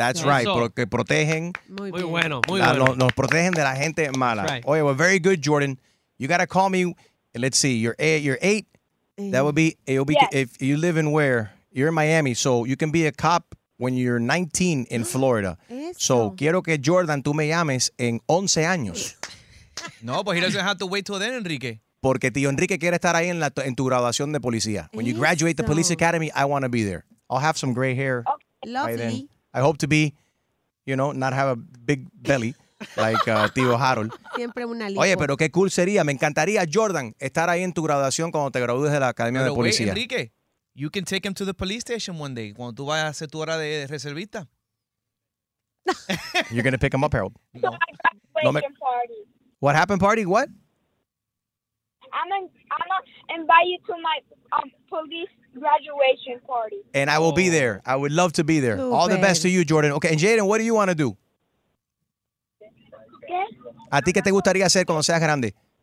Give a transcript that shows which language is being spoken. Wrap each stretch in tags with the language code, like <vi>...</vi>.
<en>That's right,</en> <es>porque protegen. Muy bueno. Nos protegen de la gente mala.</es> <en>Right.</en> <es>Oye,</es> <en>well, very good, Jordan. You got to call me. Let's see, you're eight. That would be, it'll be yes. If you live in where? You're in Miami, so you can be a cop when you're 19 in Florida.</en> <es>So quiero que Jordan, tú me llames en 11 años.</es> <en>No, but he doesn't have to wait till then, Enrique.</en> <es>Porque tío Enrique quiere estar ahí en tu graduación de policía.</es> <en>When you graduate the police academy, I want to be there. I'll have some gray hair. Lovely. By then. I hope to be, you know, not have a big belly like tío Harold.</en> <es>Siempre una lipo. Oye, pero qué cool sería. Me encantaría, Jordan, estar ahí en tu graduación cuando te gradúes de la academia pero de policía.</es> <en>Wait, Enrique, you can take him to the police station one day</en> <es>cuando tú vayas a hacer tu hora de reservista.</es> <en>You're going to pick him up, Harold.</en> <es>No. No me... party.</es> <en>What happened, party? What? I'm gonna invite you to my police graduation party. And I will be there. I would love to be there. Super. All the best to you, Jordan. Okay, and Jaden, what do you want to do? Okay.</en> <es>¿A ti qué te gustaría hacer cuando seas grande?</es>